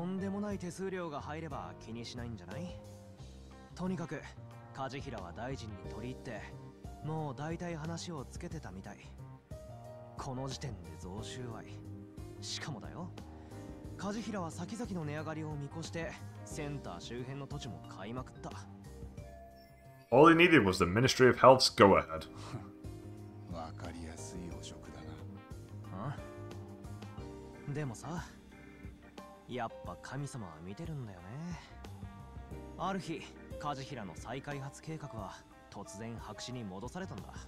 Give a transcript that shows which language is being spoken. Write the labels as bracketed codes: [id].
[ja] とんでもない手数料が入れば気にしないんじゃない？とにかく梶平は大臣に取り入ってもう大体話をつけてたみたい。この時点で贈収賄。しかもだよ、梶平は先々の値上がりを見越してセンター周辺の土地も買いまくった。 [en] All he needed was the Ministry of Health's go ahead. [ja] わかりやすい汚職だな。でもさ、やっぱ神様は見てるんだよね。ある日、梶平の再開発計画は突然白紙に戻されたんだ。